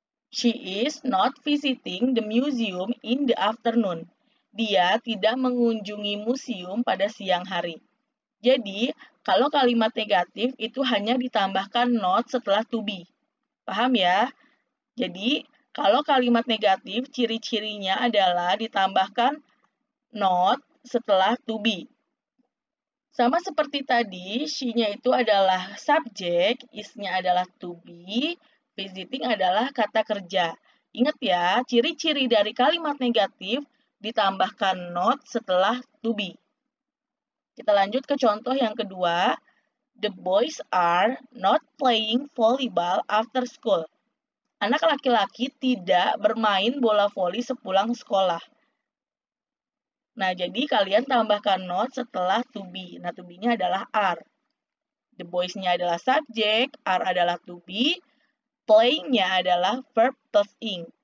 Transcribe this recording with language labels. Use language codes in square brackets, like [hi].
[en] She is not visiting the museum in the afternoon. [id] Dia tidak mengunjungi museum pada siang hari. Jadi, kalau kalimat negatif itu hanya ditambahkan not setelah to be. Paham ya? Jadi, kalau kalimat negatif ciri-cirinya adalah ditambahkan not setelah to be. Sama seperti tadi, she-nya itu adalah subject, is-nya adalah to be. Visiting adalah kata kerja. Ingat ya, ciri-ciri dari kalimat negatif ditambahkan not setelah to be. Kita lanjut ke contoh yang kedua. [en] The boys are not playing volleyball after school. [id] Anak laki-laki tidak bermain bola voli sepulang sekolah. Nah, jadi kalian tambahkan not setelah to be. Nah, to be-nya adalah are. The boys-nya adalah subject, are adalah to be. Playing-nya adalah verb plus ing.